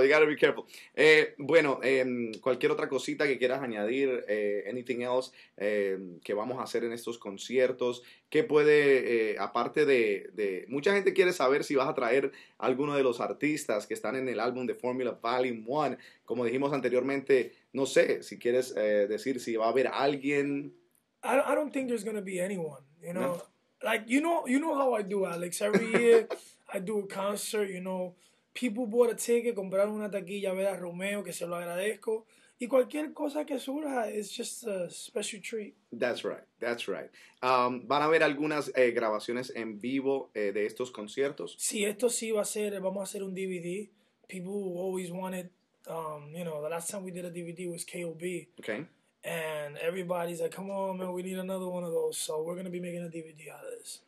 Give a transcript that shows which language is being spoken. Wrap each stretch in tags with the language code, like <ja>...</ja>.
<es>Cualquier otra cosita que quieras añadir,</es> <en>anything else</en> <es>que vamos a hacer en estos conciertos, que puede, aparte de, mucha gente quiere saber si vas a traer alguno de los artistas que están en el álbum de Formula Volume 1. Como dijimos anteriormente, no sé, si quieres decir si va a haber alguien.</es> <en>I don't think there's gonna be anyone, you know? Like, you know how I do, Alex. Every year, I do a concert, you know. People bought a ticket,</en> <es>compraron una taquilla, a ver a Romeo, que se lo agradezco. Y cualquier cosa que surja,</es> <en>it's just a special treat. That's right.</en> <es>¿Van a haber algunas grabaciones en vivo de estos conciertos? Sí, esto sí va a ser, vamos a hacer un DVD.</es> <en>People always wanted, you know, the last time we did a DVD was KOB. Okay. And everybody's like, come on, man, we need another one of those. So we're going to be making a DVD out of this.</en>